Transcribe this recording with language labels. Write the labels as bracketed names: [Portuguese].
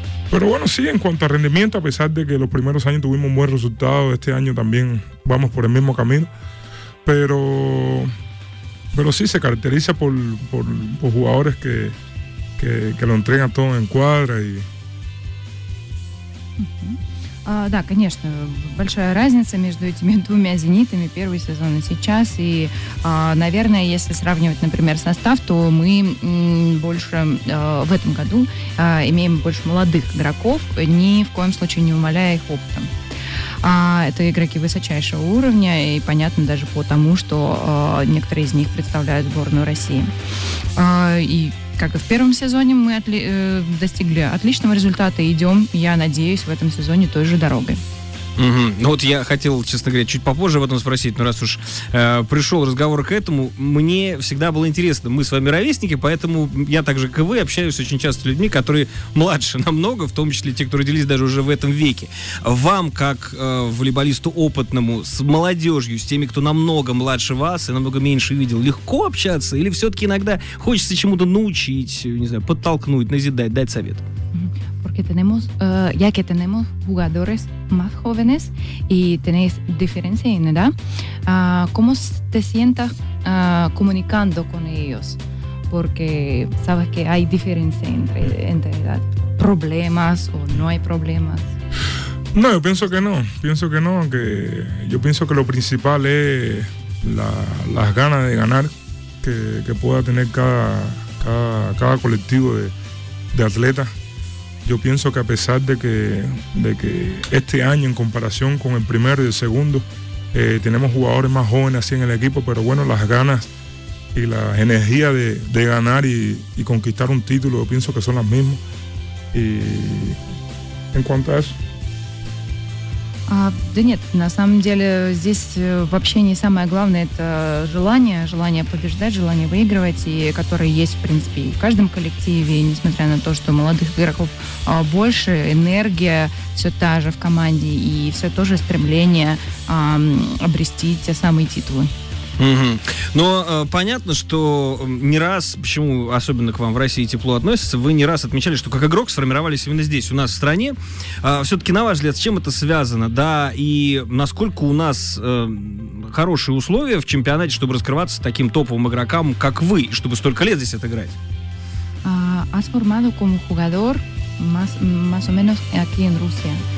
[Spanish] Pero bueno, sí, en cuanto a rendimiento, a pesar de que los primeros años tuvimos un buen resultado, este año también vamos por el mismo camino. Pero sí, se caracteriza por jugadores que lo entregan todo en cuadra y... [Russian] Да, конечно, большая разница между этими двумя «Зенитами», первый сезон и сейчас, и, наверное, если сравнивать, например, состав, то мы больше в этом году имеем больше молодых игроков, ни в коем случае не умаляя их опытом. Это игроки высочайшего уровня, и понятно даже потому, что некоторые из них представляют сборную России. И как и в первом сезоне, мы достигли отличного результата и идем, я надеюсь, в этом сезоне той же дорогой. Угу. Ну вот я хотел, честно говоря, чуть попозже об этом спросить, но раз уж пришел разговор к этому, мне всегда было интересно, мы с вами ровесники, поэтому я так же, как и вы, общаюсь очень часто с людьми, которые младше намного, в том числе те, кто родились даже уже в этом веке. Вам, как волейболисту опытному, с молодежью, с теми, кто намного младше вас и намного меньше видел, легко общаться или все-таки иногда хочется чему-то научить, не знаю, подтолкнуть, назидать, дать совет? [Spanish] Porque tenemos, ya que tenemos jugadores más jóvenes y tenéis diferencia en edad, ¿cómo te sientas comunicando con ellos? Porque sabes que hay diferencia entre edad. ¿Problemas o no hay problemas? No, yo pienso que no. Pienso que no. Que yo pienso que lo principal es las ganas de ganar que pueda tener cada colectivo de atletas. Yo pienso que a pesar de que este año, en comparación con el primero y el segundo, tenemos jugadores más jóvenes así en el equipo, pero bueno, las ganas y la energía de ganar y conquistar un título, yo pienso que son las mismas. Y en cuanto a eso. [Russian] Да нет, на самом деле здесь вообще не самое главное, это желание побеждать, желание выигрывать, и которое есть в принципе и в каждом коллективе, и несмотря на то, что молодых игроков больше, энергия все та же в команде, и все то же стремление обрести те самые титулы. Угу. Но понятно, что не раз, почему особенно к вам в России тепло относится, вы не раз отмечали, что как игрок сформировались именно здесь, у нас в стране. Все-таки, на ваш взгляд, с чем это связано, да, и насколько у нас хорошие условия в чемпионате, чтобы раскрываться таким топовым игрокам, как вы, чтобы столько лет здесь отыграть? [Spanish] Has formado como jugador más o menos aquí en Rusia.